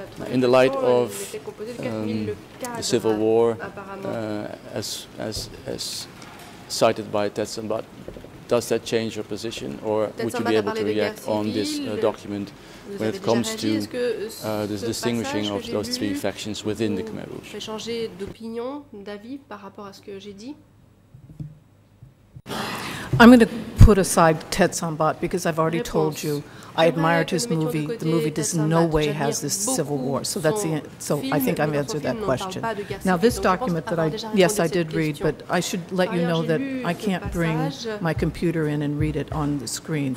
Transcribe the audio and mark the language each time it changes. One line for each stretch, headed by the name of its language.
English: In the light of the civil war, as cited by Tet Sambat, does that change your position, or would you be able to react on this document when it comes to the distinguishing of those three factions within the Khmer Rouge?
French: Changer d'opinion, d'avis par rapport à ce que j'ai dit.
English: I'm going to put aside Tet Sambat because I've already told you I admired his movie. The movie does no way has this civil war. So that's the so I think I've answered that question. Now this document that I yes I did read, but I should let you know that I can't bring my computer in and read it on the screen.